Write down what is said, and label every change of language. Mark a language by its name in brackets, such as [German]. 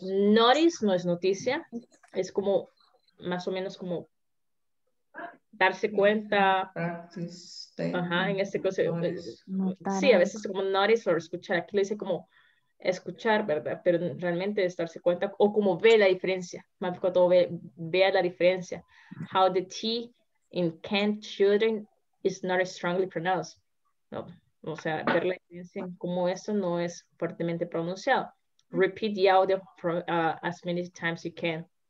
[Spanish] Notice no es noticia. Es como, más o menos como. darse cuenta. [English] Practice. [Spanish] Ajá, en este caso. Sí, a veces como notice o escuchar. Aquí lo dice como escuchar, ¿verdad? Pero realmente es darse cuenta o como ve la diferencia. Más que todo, vea la diferencia. [English] How the T in can't children is not strongly pronounced. [Spanish] No. O sea, ver la diferencia en cómo eso no es fuertemente pronunciado. [English] Repeat the audio from, as many times you can.